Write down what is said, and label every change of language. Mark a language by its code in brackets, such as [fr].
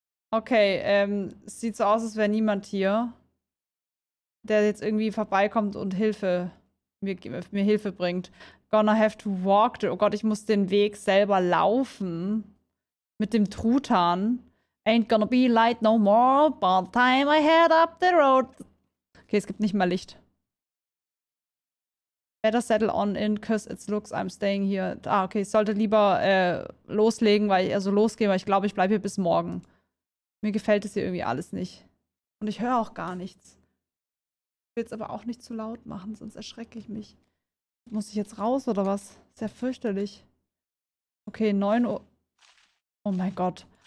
[de] Okay, sieht so aus, als wäre niemand hier, der jetzt irgendwie vorbeikommt und Hilfe. Mir Hilfe bringt. Gonna have to walk. Oh Gott, ich muss den Weg selber laufen. [en] Mit dem Truthahn. Ain't gonna be light no more. By the time I head up the road. Okay, es gibt nicht mal Licht. Better settle on in, cause it looks I'm staying here. [de] Ah, okay, ich sollte lieber loslegen, weil ich, also losgehen, weil ich glaube, ich bleibe hier bis morgen. Mir gefällt es hier irgendwie alles nicht. Und ich höre auch gar nichts. Ich will es aber auch nicht zu laut machen, sonst erschrecke ich mich. Muss ich jetzt raus oder was? Sehr fürchterlich. Okay, 9 Uhr. Oh mein Gott.